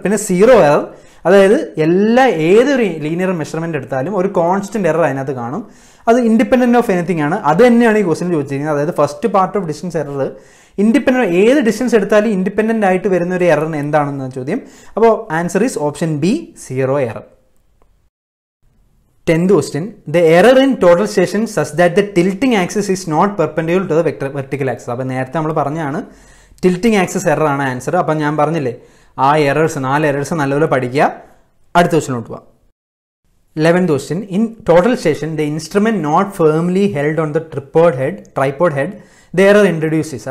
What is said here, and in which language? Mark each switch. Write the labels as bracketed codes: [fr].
[ml] പിന്നെ zero error, അതായത് എല്ലാ ഏതൊരു ലീനിയർ മെഷർമെൻ്റ് എടുത്താലും ഒരു കോൺസ്റ്റൻ്റ് എറർ അതിനകത്ത് കാണും. അത് [en] independent of anything [ml] ആണ്. അത് തന്നെയാണ് ഈ ക്വസ്റ്റ്യൻ ചോദിച്ചിരിക്കുന്നത്. അതായത് [en] first part of distance error independent, [ml] ഏത് ഡിസ്റ്റൻസ് എടുത്താലും ഇൻഡിപെൻഡൻ്റ് ആയിട്ട് വരുന്ന ഒരു എറർ എന്താണെന്ന ചോദ്യം. അപ്പോൾ answer is option B, zero error. [en] 10th question, the error in total station such that the tilting axis is not perpendicular to the vertical axis. [ml] അപ്പോൾ നേരത്തെ നമ്മൾ പറഞ്ഞതാണ് ടിൽറ്റിംഗ് ആക്സസ് എറർ ആണ് ആൻസർ. അപ്പം ഞാൻ പറഞ്ഞില്ലേ ആ എറേഴ്സ്, നാല് എറേഴ്സ് നല്ലപോലെ പഠിക്കുക. അടുത്ത ക്വസ്റ്റിനോട്ട് പോവാം. [en] 11th question, in total station the instrument not firmly held on the tripod head the error introduces.